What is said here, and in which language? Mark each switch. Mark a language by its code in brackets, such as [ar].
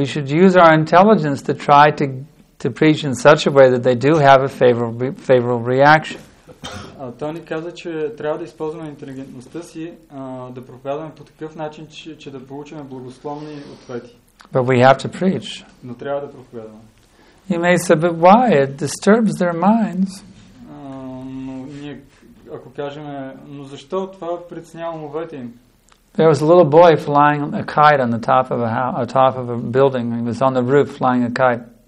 [en] We should use our intelligence to try to preach in such a way that they do have a favorable reaction. [bg] Той ни каза, че трябва да използваме интелигентността си, да проповядаме по такъв начин, че да получим благословни ответи. [en] But we have to preach. [bg] Но трябва да проповядаме. [en] You may say, but why? It disturbs their minds. [bg] Но ние, ако кажем, но защо това притеснява умовете им? [en] There was a little boy flying a kite on the top of a building. He was on the roof flying a kite.